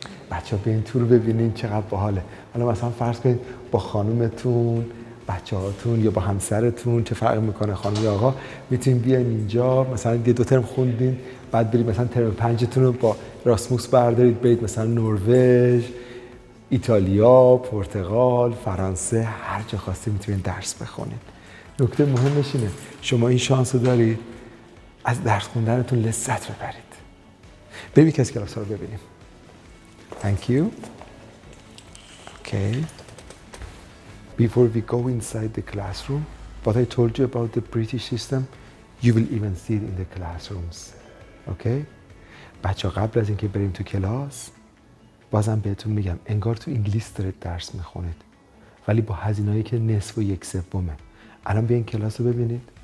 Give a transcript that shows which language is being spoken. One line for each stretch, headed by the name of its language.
Persian: بچه ها بیاین تو رو ببینین چقدر باحاله. حالا مثلا فرض کنید با خانومتون، بچه هاتون یا با همسرتون، چه فرق میکنه خانم یا آقا، میتونین بیاین اینجا مثلا یه دو ترم خوندین، بعد برید مثلا ترم پنجتون رو با راسموس بردارید، برید مثلا نروژ، ایتالیا، پرتغال، فرانسه، هر جا خواستید میتونین درس بخونید. نکته مهمش اینه شما این شانس رو دارید از درس خوندنتون لذت ببرید. ببینید کسی کلاس ها رو ببینیم.
English: Thank you. Okay. Before we go inside the classroom, what I told you about the British system, you will even see it in the classrooms. Okay?
Persian: بچه ها قبل از اینکه بریم تو کلاس، بازم بهتون میگم انگار تو انگلیس دارید درس میخونید، ولی با هزینه‌ای که نصف و یک سومه. الان بیاین کلاس رو ببینید.